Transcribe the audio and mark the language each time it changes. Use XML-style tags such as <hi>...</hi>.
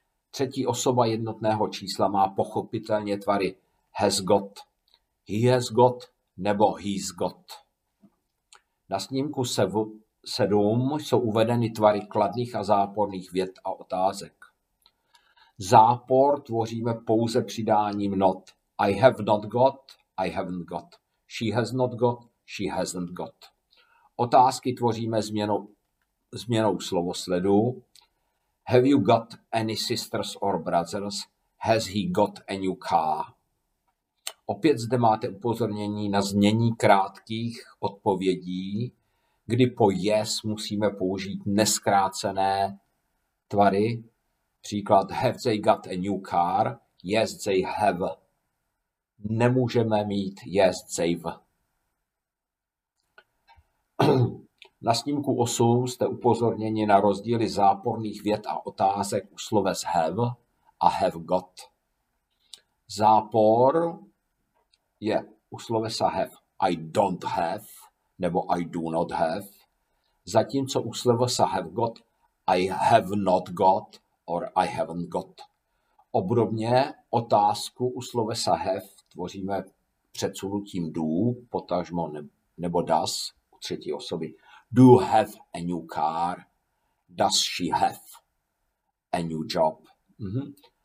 <cs>Třetí osoba jednotného čísla má pochopitelně tvary</cs> <en>has got, he has got</en> <cs>nebo</cs> <en>he's got.</en> <cs>Na snímku 7 jsou uvedeny tvary kladných a záporných vět a otázek. Zápor tvoříme pouze přidáním not.</cs> <en>I have not got, I haven't got. She has not got, she hasn't got.</en> <cs>Otázky tvoříme změnou slovosledu.</cs> <en>Have you got any sisters or brothers? Has he got a new car?</en> <cs>Opět zde máte upozornění na znění krátkých odpovědí, kdy po yes musíme použít neskrácené tvary. Příklad,</cs> <en>have they got a new car? Yes, they have.</en> <cs>Nemůžeme mít</cs> <en>yes, they've.</en> <cs>Na snímku 8 jste upozorněni na rozdíly záporných vět a otázek u sloves have a have got. Zápor je u slovesa have</cs> <en>I don't have, nebo I do not have,</en> <cs>zatímco u slovesa</cs> <en>have got, I have not got, or I haven't got.</en> <cs>Obdobně otázku u slovesa have tvoříme předsunutím do, potažmo nebo does u třetí osoby.</cs> <en>Do you have a new car? Does she have a new job? Mm-hmm.</en>